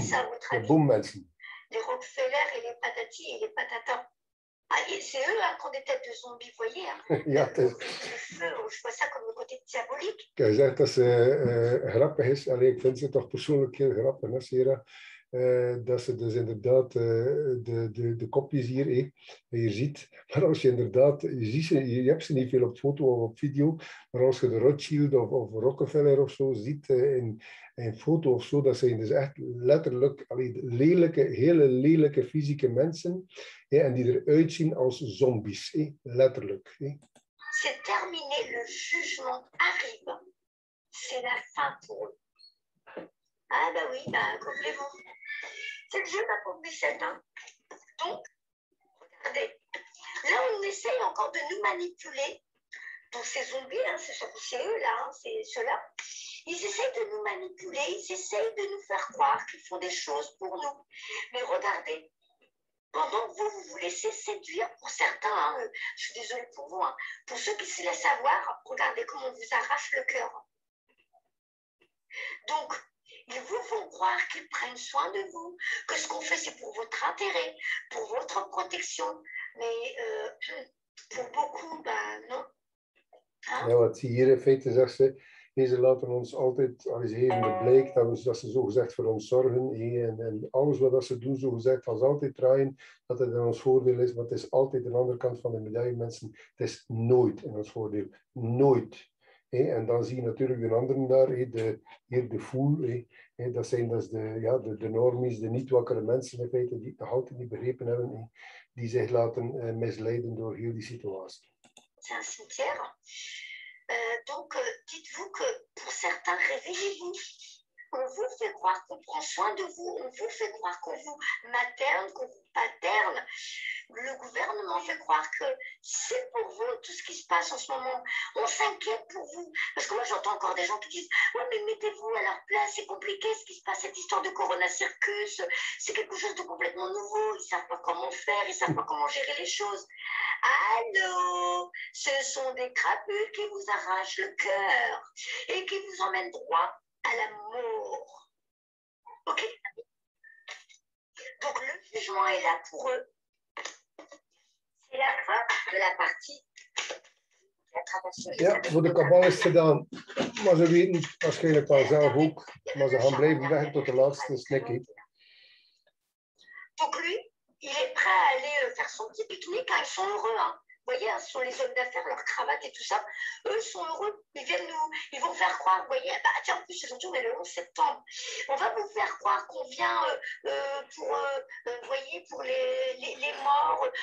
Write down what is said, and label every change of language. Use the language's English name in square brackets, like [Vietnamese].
[French] Ça, votre avis. Le boom, merci. Les Rockefeller et les patati et les patatas. Ah, c'est eux hein, qui ont des têtes de zombies, vous voyez. Hein. [Dutch] Ja, [French] je vois ça comme le côté diabolique. Je dis que c'est grappig, mais je trouve que c'est personnellement très grappig, hein, Sarah. [Dutch] Dat ze dus inderdaad de kopjes hier, hier ziet. Maar als je inderdaad, je hebt ze niet veel op foto of op video, maar als je de Rothschild of Rockefeller of zo ziet in foto of zo, dat zijn dus echt letterlijk allee, lelijke, hele lelijke fysieke mensen en die eruit zien als zombies, letterlijk. [French] C'est terminé, le jugement arrive. C'est la fin pour eux. Ah bah oui, bah complément. C'est le jeu, ma pauvre Bichette. Hein. Donc, regardez. Là, on essaye encore de nous manipuler. Donc, ces zombies, hein, c'est eux, là, hein, c'est ceux-là. Ils essayent de nous manipuler, ils essayent de nous faire croire qu'ils font des choses pour nous. Mais regardez, pendant que vous vous laissez séduire, pour certains, hein, je suis désolée pour vous, hein, pour ceux qui se laissent avoir, regardez comment on vous arrache le cœur. Donc, ils vous font croire qu'ils prennent soin de vous, que ce qu'on fait, c'est pour votre intérêt, pour votre protection. Mais pour beaucoup, ben non. Hein? [Dutch] Ja, wat hier in feite zegt ze, ze laten ons altijd, als hevende bleek, dat ze zogezegd voor ons zorgen. En alles wat ze doen, zogezegd, als altijd draaien, dat het in ons voordeel is. Maar het is altijd aan de andere kant van de medaille, mensen. Het is nooit in ons voordeel. Nooit. En dan zie je natuurlijk de anderen daar, hier de fool. Dat zijn dus de normies, de niet-wakkere mensen in feite, die het altijd niet begrepen hebben, die zich laten misleiden door heel die situatie. [French] C'est un cimetière. Donc, dites-vous que pour certains, réveillez-vous. On vous fait croire qu'on prend soin de vous. On vous fait croire qu'on vous materne, qu'on vous paterne. Le gouvernement fait croire que c'est pour vous tout ce qui se passe en ce moment. On s'inquiète pour vous. Parce que moi, j'entends encore des gens qui disent « Ouais, mais mettez-vous à leur place. C'est compliqué ce qui se passe, cette histoire de Corona Circus. C'est quelque chose de complètement nouveau. Ils ne savent pas comment faire. Ils ne savent pas comment gérer les choses. » Allô, ce sont des crapules qui vous arrachent le cœur et qui vous emmènent droit à l'amour. Ok? Donc le jugement est là pour eux. C'est la fin de la partie. [Dutch] Ja, voor de cabal is gedaan. Maar ze weten waarschijnlijk wel zelf ook. Maar ze gaan blijven weg tot de laatste snackie. [French] Donc lui, il est prêt à aller faire son petit pique-nique, hein, ils sont heureux. Hein. voyez, hein, ce sont les hommes d'affaires, leurs cravates et tout ça. Eux sont heureux, ils viennent nous, ils vont faire croire, vous voyez, bah, tiens, en plus, c'est toujours le 11 septembre. On va vous faire croire qu'on vient pour, voyez, pour les morts.